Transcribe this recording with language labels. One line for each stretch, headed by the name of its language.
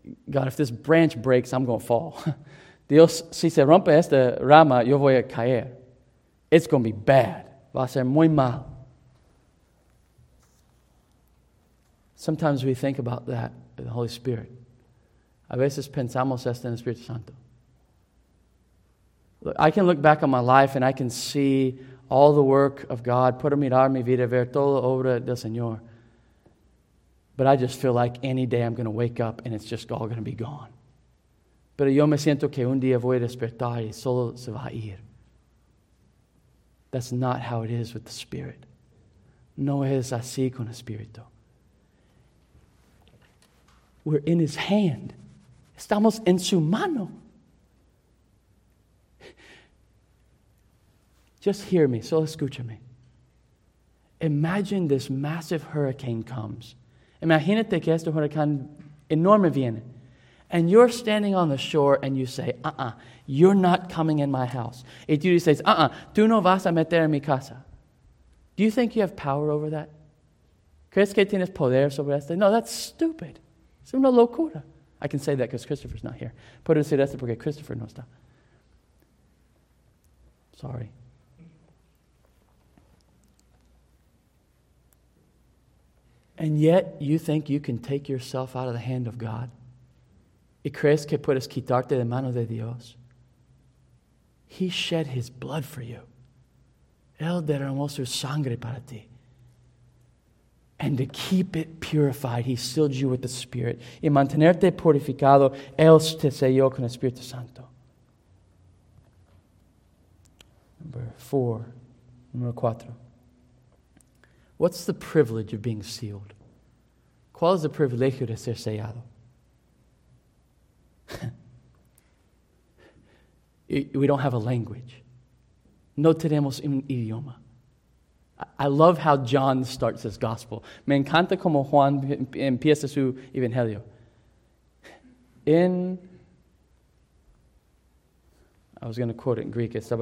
English: God, if this branch breaks, I'm going to fall.
Spanish: Dios, si se rompe esta rama, yo voy a caer.
English: It's going to be bad.
Spanish: Va a ser muy mal.
English: Sometimes we think about that in the Holy Spirit.
Spanish: A veces pensamos esto en el Espíritu Santo.
English: Look, I can look back on my life and I can see all the work of God,
Spanish: puedo mirar mi vida, ver toda la obra del Señor.
English: But I just feel like any day I'm going to wake up and it's just all going to be gone.
Spanish: Pero yo me siento que un día voy a despertar y solo se va a ir.
English: That's not how it is with the Spirit.
Spanish: No es así con el Espíritu.
English: We're in His hand.
Spanish: Estamos en su mano.
English: Just hear me,
Spanish: solo escúchame.
English: Imagine this massive hurricane comes.
Spanish: Imagínate que este huracán enorme viene.
English: And you're standing on the shore and you say, uh-uh, you're not coming in my house.
Spanish: Y tú dices, uh-uh, tú no vas a meter en mi casa.
English: Do you think you have power over that?
Spanish: ¿Crees que tienes poder sobre esto?
English: No, that's stupid.
Spanish: Es una locura.
English: I can say that because Christopher's not here.
Spanish: Puedo decir esto porque Christopher no está.
English: Sorry. And yet, you think you can take yourself out of the hand of God?
Spanish: ¿Y crees que puedes quitarte de mano de Dios?
English: He shed His blood for you.
Spanish: Él derramó su sangre para ti.
English: And to keep it purified, He sealed you with the Spirit.
Spanish: Y mantenerte purificado, Él te selló con el Espíritu Santo.
English: Number 4. What's the privilege of being sealed?
Spanish: ¿Cuál es el privilegio de ser sellado?
English: We don't have a language.
Spanish: No tenemos un idioma.
English: I love how John starts his gospel.
Spanish: Me encanta como Juan empieza su evangelio.
English: I was going to quote it in Greek.